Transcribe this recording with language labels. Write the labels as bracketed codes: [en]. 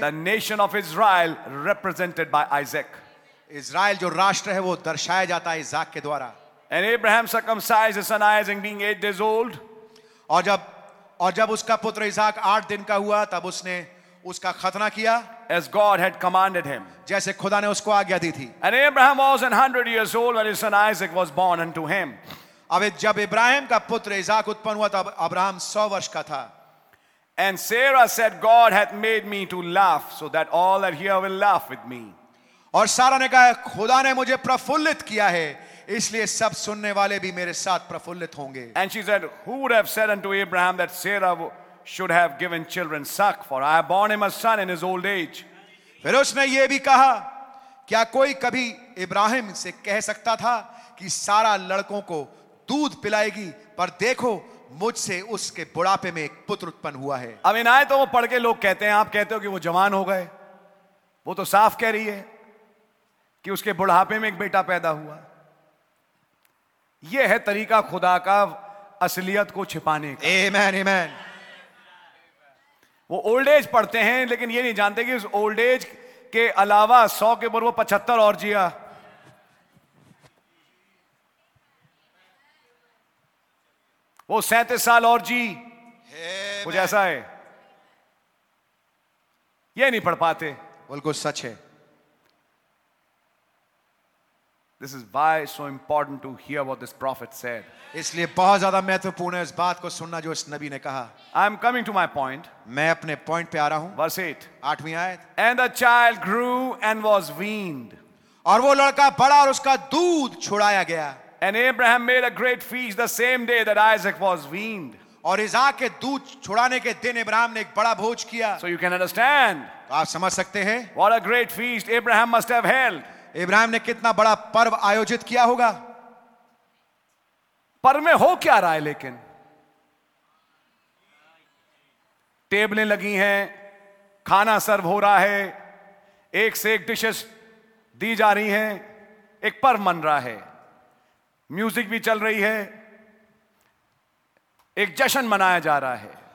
[en] the nation of Israel represented by Isaac. [hi] Israel जो राष्ट्र है वो दर्शाया जाता है इसहाक के द्वारा. [en] And Abraham circumcised his son Isaac being 8 days old. [hi] और जब उसका पुत्र इसहाक 8 दिन का हुआ तब उसने उसका खतना किया. [en] As God had commanded him. [hi] जैसे खुदा ने उसको आज्ञा दी थी. [en] And Abraham was 100 years old when his son Isaac was born unto him. [hi] अब जब इब्राहिम का पुत्र इसहाक उत्पन्न हुआ तब अब्राहम 100 वर्ष का था. [en] And Sarah said, God hath made me to laugh so that all that hear will laugh with me. [hi] और सारा ने कहा खुदा ने मुझे प्रफुल्लित किया है इसलिए सब सुनने वाले भी मेरे साथ प्रफुल्लित होंगे. [en] And she said, who would have said unto Abraham that Sarah should have given children suck, for I have borne him a son in his old age. [hi] फिर उसने ये भी कहा क्या कोई कभी इब्राहिम से कह सकता था कि सारा लड़कों को दूध पिलाएगी, पर देखो मुझसे उसके बुढ़ापे में एक पुत्र उत्पन्न हुआ है. अब इन आयतों को पढ़ के लोग कहते हैं, आप कहते हो कि वो जवान हो गए. वो तो साफ कह रही है कि उसके बुढ़ापे में एक बेटा पैदा हुआ. ये है तरीका खुदा का असलियत को छिपाने का. आमीन आमीन. वो [en] old age [hi] पढ़ते हैं लेकिन ये नहीं जानते कि उस ओल्ड एज के अलावा 100 के ऊपर वो 75 और जिया. वो 37 साल और जी. कुछ ऐसा है. ये नहीं पढ़ पाते. बिल्कुल सच है. [en] This is why it's so important to hear what this prophet said. [hi] इसलिए बहुत ज्यादा महत्वपूर्ण है इस बात को सुनना जो इस नबी ने कहा. [en] I am coming to my point. [hi] मैं अपने पॉइंट पे आ रहा हूं. [en] Verse 8. [hi] आठवीं आयत. [en] And the child grew and was weaned. [hi] और वो लड़का बड़ा और उसका दूध छुड़ाया गया. [en] And Abraham made a great feast the same day that Isaac was weaned. [hi] और इसहाक के दूध छुड़ाने के दिन इब्राहिम ने एक बड़ा भोज किया. [en] So you can understand. [hi] आप समझ सकते हैं. [en] What a great feast Abraham must have held. [hi] Ibrahim ने कितना बड़ा पर्व आयोजित किया होगा. पर्व में हो क्या रहा है लेकिन टेबलें लगी हैं, खाना सर्व हो रहा है, एक से एक डिशेस दी जा रही हैं, एक पर्व मन रहा है, म्यूजिक भी चल रही है, एक जश्न मनाया जा रहा है.